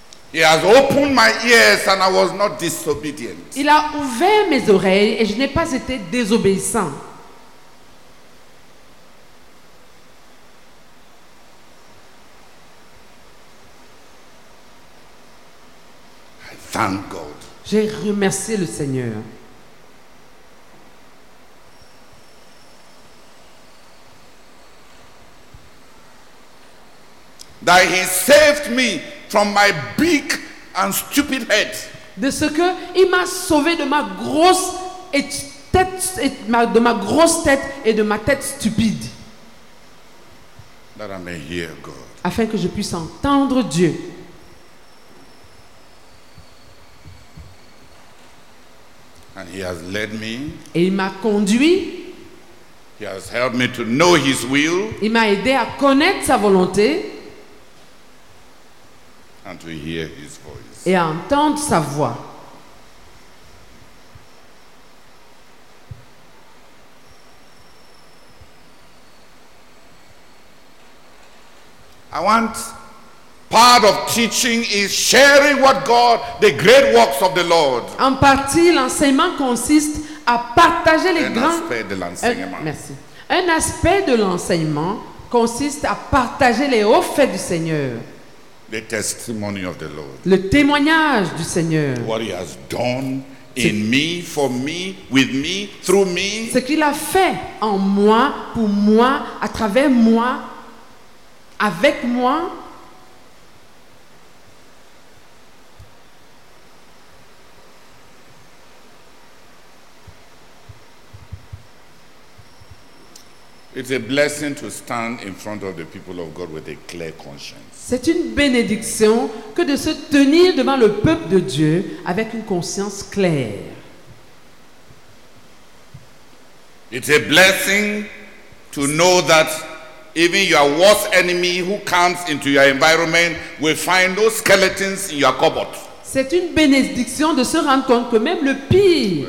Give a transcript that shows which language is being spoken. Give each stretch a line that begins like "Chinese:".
English: He has opened my ears and I was not disobedient.
French: Il a ouvert mes oreilles et je n'ai pas été désobéissant.
English: I thank God.
French: J'ai remercié le Seigneur.
English: That he saved me from my big and stupid head.
French: De ce que il m'a sauvé de ma grosse tête et de ma tête stupide.
English: That I may hear God.
French: Afin que je puisse entendre Dieu.
English: And he has led me.
French: Et il m'a conduit.
English: He has helped me to know his will.
French: Il m'a aidé à connaître sa volonté.
English: And to hear his voice.
French: Et à entendre sa voix.
English: I want part of teaching is sharing what God, the great works of the Lord.
French: En partie, l'enseignement consiste à partager les grands. Un aspect de l'enseignement. Merci. Un aspect de l'enseignement consiste à partager les hauts faits du Seigneur.
English: The testimony of the Lord.
French: Le témoignage du Seigneur.
English: What he has done in me, for me, with me, through me.
French: Ce qu'il a fait en moi, pour moi, à travers moi, avec moi.
English: It's a blessing to stand in front of the people of God with a clear conscience.
French: C'est une bénédiction que de se tenir devant le peuple de Dieu avec une conscience claire.
English: It's a blessing to know that even your worst enemy who comes into your environment will find no skeletons in your cupboard.
French: C'est une bénédiction de se rendre compte que même le pire.